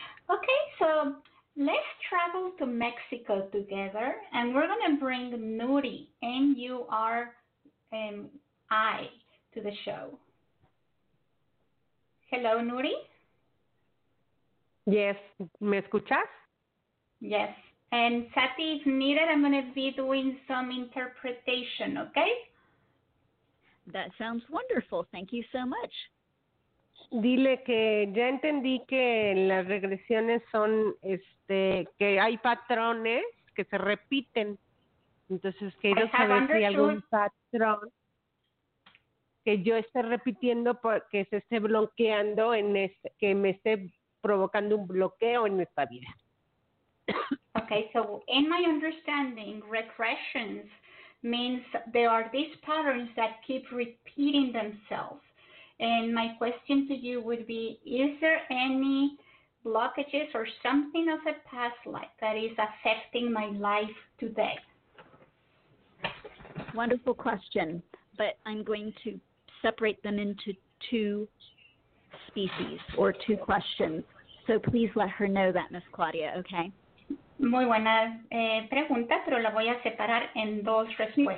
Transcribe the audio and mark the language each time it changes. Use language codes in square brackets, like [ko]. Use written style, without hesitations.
[en] Okay, so let's travel to Mexico together, and we're going to bring Nuri, N-U-R-I, to the show. Hello, Nuri? Yes, [es] ¿me escuchas? [en] Yes, and Sati, if needed, I'm going to be doing some interpretation, okay? That sounds wonderful. Thank you so much. [es] Dile que ya entendí que las regresiones son, que hay patrones que se repiten. Entonces, quiero saber si hay algún patrón que yo esté repitiendo porque se esté bloqueando, que me esté provocando un bloqueo en esta vida. [en] Okay, so in my understanding, regressions means there are these patterns that keep repeating themselves. And my question to you would be, is there any blockages or something of a past life that is affecting my life today? Wonderful question, but I'm going to separate them into two species or two questions. So please let her know that, Miss Claudia, okay? [es] Muy buena pregunta, pero la voy a separar en dos respuestas,